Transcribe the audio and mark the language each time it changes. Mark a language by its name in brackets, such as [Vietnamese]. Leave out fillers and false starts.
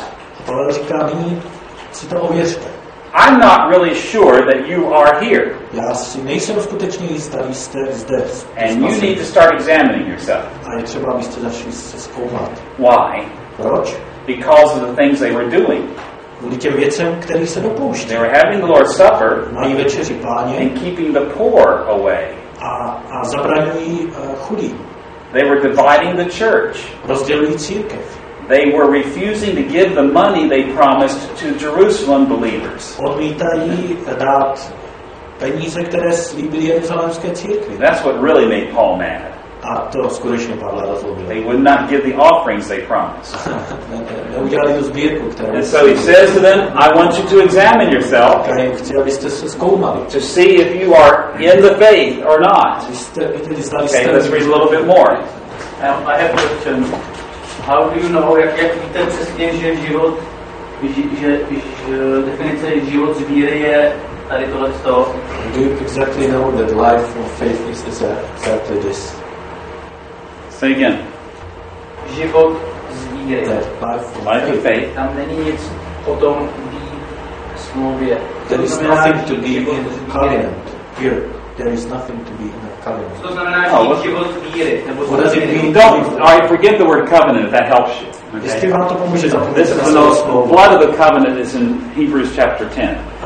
[Czech] A Paul říká, nyní si to ověřte. [English] I'm not really sure that you are here. [Czech] Já si nejsem skutečně jistý, jste zde. [English] And you need to start examining yourself. [Czech] A je třeba, abyste začali se zkoumat. [English] Why? [Czech] Proč? [English] Because of the things they were doing. [Czech] Kvůli těm věcem, které se dopouští. [English] They were having the Lord's Supper. [Czech] Mají večeři páně. [English] And keeping the poor away. [Czech] A zabraňují chudí. [English] They were dividing the church. [Czech] Rozdělují církev. [English] They were refusing to give the money they promised to Jerusalem believers. [Czech] Odmítají dát peníze, které slíbili jeruzalémské církvi. [English] That's what really made Paul mad. [Czech] A to skutečně Pavla rozhodilo. [English] They would not give the offerings they promised. [Czech] Neudělali tu sbírku, kterou. [English] And so he says to them, I want you to examine yourself. [Czech] Chci, abyste se zkoumali. [English] To see if you are in the faith or not. Okay, let's read a little bit more. I have a question. How do you know, [Czech] jak víte přesně, že život, že definice život z víry je tady tohleto? [English] Do you exactly know that life of faith is exactly this? Say again. [Czech] Život z víry. [English] Life of faith. [Czech] Tam není nic o tom ví smlouvě. [English] There is nothing to be in the covenant. Here, there is nothing to be in the covenant. [Czech] To znamená, že život z víry. [English] What does it mean? Don't. All right, forget the word covenant, if that helps you. Okay. This is the blood of the covenant is in Hebrews chapter 10.